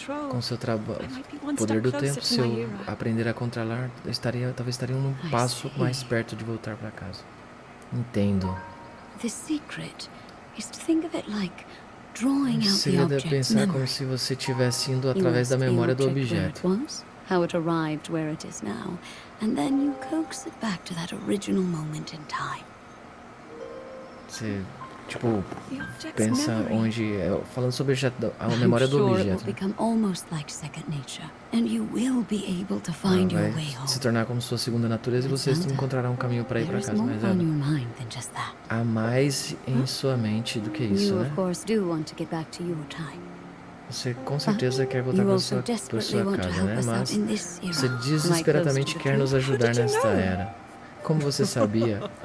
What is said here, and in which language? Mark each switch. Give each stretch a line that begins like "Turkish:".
Portuguese: Com seu trabalho, poder do tempo, se eu aprender a controlar, talvez estaria um passo mais perto de voltar para casa. Entendo.
English: The secret is to think of it like drawing out the object.
Portuguese: Seria pensar como se você estivesse indo através da memória do objeto.
English: How it arrived where it is now, and then you coax it back to that original moment in time.
Portuguese: Você, tipo, pensa onde, falando sobre a memória do objeto.
English: Become almost like second nature, and you will be able to find your way home.
Portuguese: Se tornar como sua segunda natureza e você encontrará um caminho para ir para casa, mas há mais em sua mente do que isso, né?
English: You of course do want to get back to your time.
Portuguese: Você com certeza quer voltar para sua casa, né? Mas você desesperadamente quer nos ajudar nesta era. Como você sabia?